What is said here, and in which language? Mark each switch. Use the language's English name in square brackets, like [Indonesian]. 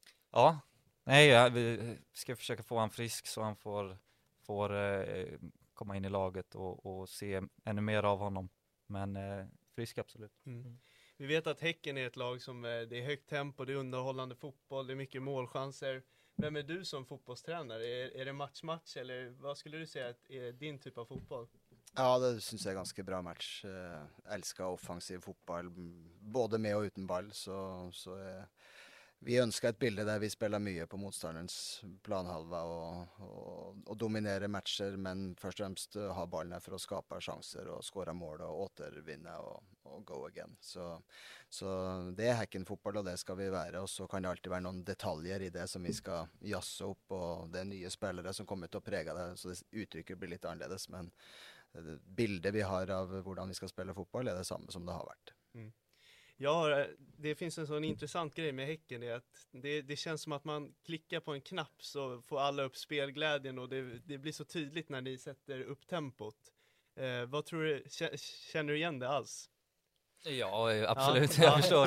[Swedish] Ja, nej, vi ska försöka få han frisk så han får komma in i laget och se ännu mer av honom. Men frisk, absolut. Mm. Vi vet att Häcken är ett lag som det är högt tempo, det är underhållande fotboll, det är mycket målchanser. Vem är du som fotbollstränare? Är det match eller vad skulle du säga att är din typ av fotboll? [Norwegian] Ja, det synes jeg er ganske bra match. Elsker offensiv fotball, både med og uten ball. Så vi ønsker et bilde der vi spiller mye på motstanderens planhalva og dominerer matcher, men først og fremst har ballene for å skape sjanser og score mål og återvinne og [English] go again. [Norwegian] Så det er Häcken fotball, og det skal vi være. Og så kan det alltid være noen detaljer i det som vi skal jasse opp, og det er nye spillere som kommer til å prege det, så det uttrykket blir litt annerledes, men bilder vi har av hvordan vi skal spille fotball er det samme som det har vært. Mm. [Swedish] Ja, det finns en sån intressant grej med Häcken, det är att det känns som att man klickar på en knapp så får alla upp spelglädjen och det blir så tydligt när ni sätter upp tempot. Vad tror du, känner du igen det alls? Ja, absolut. Ja, jag förstår